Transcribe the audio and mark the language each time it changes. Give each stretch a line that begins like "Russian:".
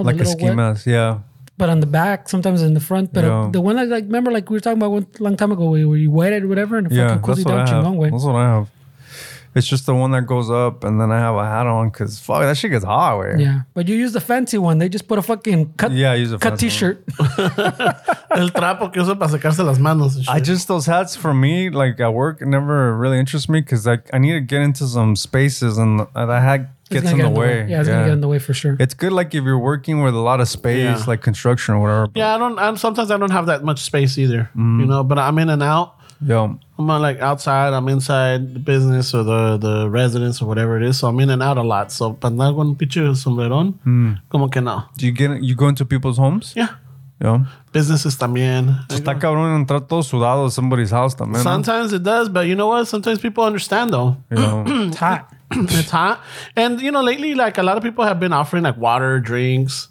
English: Like a ski mask, yeah. But on the back, sometimes in the front. But the one, like, remember, like we were talking about one long time ago, where you wet it or whatever, and it fucking cools you down chingón, way. That's what I have. It's just the one that goes up, and then I have a hat on because fuck, that shit gets hot. Right? Yeah, but you use the fancy one. They just put a fucking cut. Yeah, I use a cut t-shirt.
Spanish: El trapo que uso para secarse las manos.
English: I just, those hats for me, like at work, never really interest me because I need to get into some spaces, and that hat gets in the way. Yeah, it's gonna get in the way for sure. It's good, like if you're working with a lot of space, like construction or whatever. Yeah, sometimes I don't have that much space either. Mm-hmm. You know, but I'm in and out. Yeah, I'm on like outside, I'm inside the business or the residence or whatever it is. So I'm in and out a lot.
Spanish: So pandago un pinche sombrerón, como que no.
English: Do you go into people's homes? Yeah. Businesses
Spanish: también. Está cabrón entrar todo sudado a
English: somebody's house
Spanish: también.
English: Sometimes it does, but you know what? Sometimes people understand though. Yeah. It's hot. And you know, lately, like a lot of people have been offering like water, drinks.